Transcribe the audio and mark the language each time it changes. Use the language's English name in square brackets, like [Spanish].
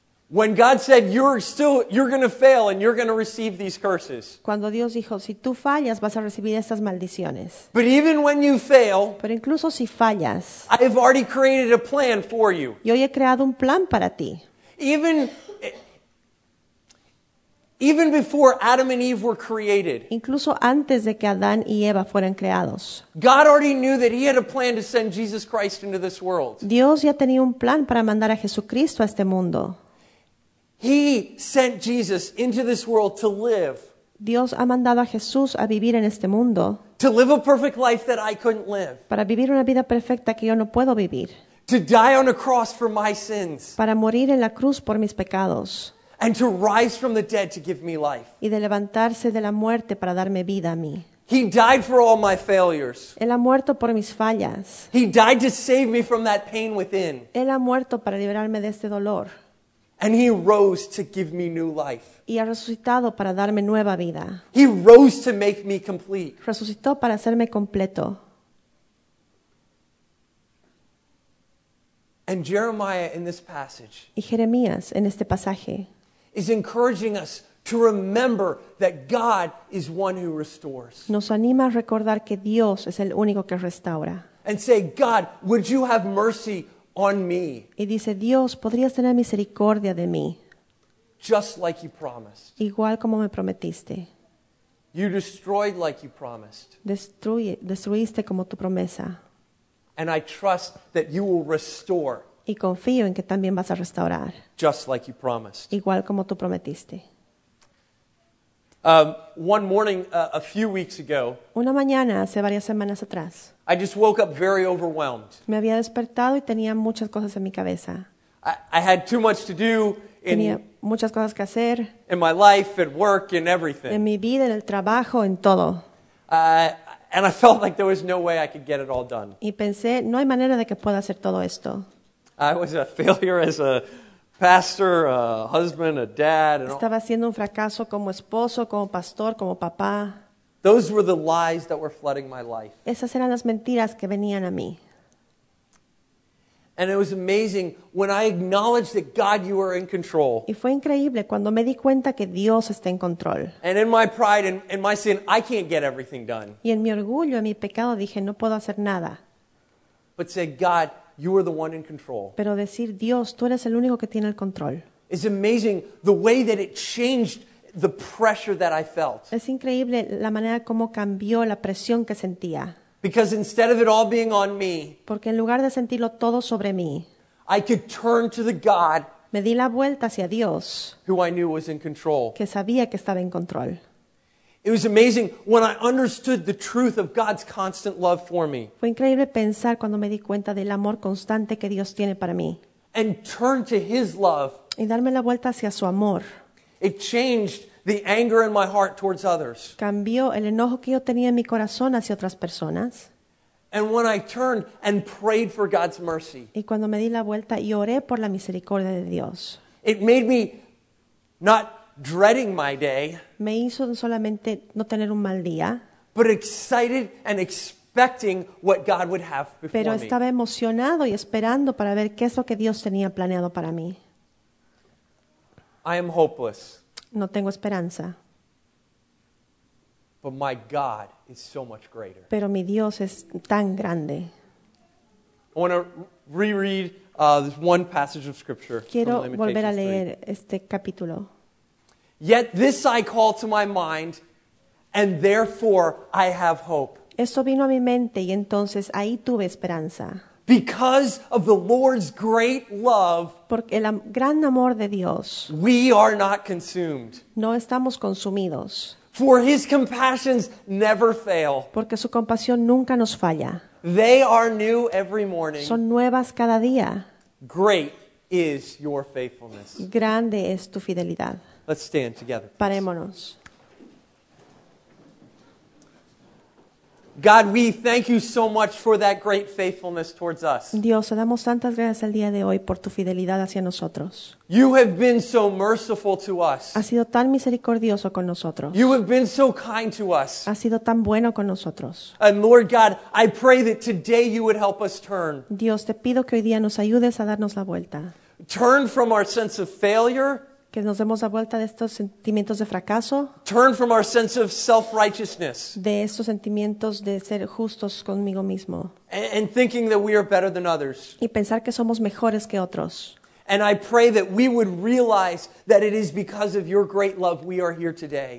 [English] When God said, you're going to fail and you're going to receive these curses. [Spanish] Cuando Dios dijo, si tú fallas, vas a recibir estas maldiciones. [English] But even when you fail, [Spanish] pero incluso si fallas, [English] I have already created a plan for you. [Spanish] Yo ya he creado un plan para ti. [English] Even before Adam and Eve were created, [Spanish] incluso antes de que Adán y Eva fueran creados, [English] God already knew that he had a plan to send Jesus Christ into this world. [Spanish] Dios ya tenía un plan para mandar a Jesucristo a este mundo. [English] He sent Jesus into this world to live. [Spanish] Dios ha mandado a Jesús a vivir en este mundo. [English] To live a perfect life that I couldn't live. [Spanish] Para vivir una vida perfecta que yo no puedo vivir. [English] To die on a cross for my sins. [Spanish] Para morir en la cruz por mis pecados. [English] And to rise from the dead to give me life. [Spanish] Y de levantarse de la muerte para darme vida a mí. [English] He died for all my failures. [Spanish] Él ha muerto por mis fallas. [English] He died to save me from that pain within. [Spanish] Él ha muerto para liberarme de este dolor. [English] And he rose to give me new life. [Spanish] Y ha resucitado para darme nueva vida. [English] He rose to make me complete. [Spanish] Resucitó para hacerme completo. [English] And Jeremiah in this passage. [Spanish] Y Jeremías en este pasaje. [English] Is encouraging us to remember that God is one who restores. [Spanish] Nos anima a recordar que Dios es el único que restaura. [English] And say, God, would you have mercy on me? [Spanish] Y dice, Dios, ¿podrías tener misericordia de mí? [English] Just like you promised. [Spanish] Igual como me prometiste. [English] You destroyed like you promised. [Spanish] Destruiste como tu promesa. [English] And I trust that you will restore. [Spanish] Y confío en que también vas a restaurar. [English] Just like you promised. [Spanish] Igual como tú prometiste. [English] One morning, a few weeks ago. [Spanish] Una mañana, hace varias semanas atrás. [English] I just woke up very overwhelmed. [Spanish] Me había despertado y tenía muchas cosas en mi cabeza. [English] I had too much to do. [Spanish] Tenía muchas cosas que hacer. [English] In my life, at work, in everything. [Spanish] En mi vida, en el trabajo, en todo. [English] And I felt like there was no way I could get it all done. [Spanish] Y pensé, no hay manera de que pueda hacer todo esto. [English] I was a failure as a pastor, a husband, a dad. [Spanish] Estaba siendo un fracaso como esposo, como pastor, como papá. [English] Those were the lies that were flooding my life. [Spanish] Esas eran las mentiras que venían a mí. [English] And it was amazing when I acknowledged that God, you are in control. [Spanish] Y fue increíble cuando me di cuenta que Dios está en control. [English] And in my pride and in my sin, I can't get everything done. [Spanish] Y en mi orgullo, en mi pecado, dije, no puedo hacer nada. [English] But say, God, you are the one in control. [Spanish] Pero decir, Dios, tú eres el único que tiene el control. [English] It's amazing the way that it changed the pressure that I felt. [Spanish] Es increíble la manera como cambió la presión que sentía. [English] Because instead of it all being on me, [Spanish] porque en lugar de sentirlo todo sobre mí, [English] I could turn to the God, [Spanish] me di la vuelta hacia Dios, [English] who I knew was in control, [Spanish] que sabía que estaba en control. [English] It was amazing when I understood the truth of God's constant love for me. [Spanish] Fue increíble pensar cuando me di cuenta del amor constante que Dios tiene para mí. [English] And turn to His love, [Spanish] y darme la vuelta hacia su amor. [English] It changed the anger in my heart towards others. [Spanish] Cambió el enojo que yo tenía en mi corazón hacia otras personas. [English] And when I turned and prayed for God's mercy. [Spanish] Y cuando me di la vuelta y oré por la misericordia de Dios. [English] It made me not dreading my day. [Spanish] Me hizo solamente no tener un mal día. [English] But excited and expecting what God would have before me. [Spanish] Pero estaba emocionado y esperando para ver qué es lo que Dios tenía planeado para mí. [English] I am hopeless. [Spanish] No tengo esperanza. [English] But my God is so much greater. [Spanish] Pero mi Dios es tan grande. [English] I want to reread this one passage of scripture. [Spanish] Quiero [English] from Lamentations [Spanish] volver a leer [English] 3. [Spanish] Este capítulo. [English] Yet this I call to my mind, and therefore I have hope. [Spanish] Esto vino a mi mente y entonces ahí tuve esperanza. [English] Because of the Lord's great love, [Spanish] porque el gran amor de Dios, [English] we are not consumed. [Spanish] No estamos consumidos. [English] For His compassions never fail. [Spanish] Porque su compasión nunca nos falla. [English] They are new every morning. [Spanish] Son nuevas cada día. [English] Great is your faithfulness. [Spanish] Grande es tu fidelidad. [English] Let's stand together. [Spanish] Parémonos. [English] God, we thank you so much for that great faithfulness towards us. [Spanish] Dios, te damos tantas gracias el día de hoy por tu fidelidad hacia nosotros. [English] You have been so merciful to us. [Spanish] Has sido tan misericordioso con nosotros. [English] You have been so kind to us. [Spanish] Has sido tan bueno con nosotros. [English] And Lord God, I pray that today you would help us turn. [Spanish] Dios, te pido que hoy día nos ayudes a darnos la vuelta. [English] Turn from our sense of failure. [Spanish] Que nos demos la vuelta de estos sentimientos de fracaso. [English] Turn from our sense of self-righteousness. [Spanish] De estos sentimientos de ser justos conmigo mismo. [English] And thinking that we are better than others. [Spanish] Y pensar que somos mejores que otros. [English] And I pray that we would realize that it is because of your great love we are here today.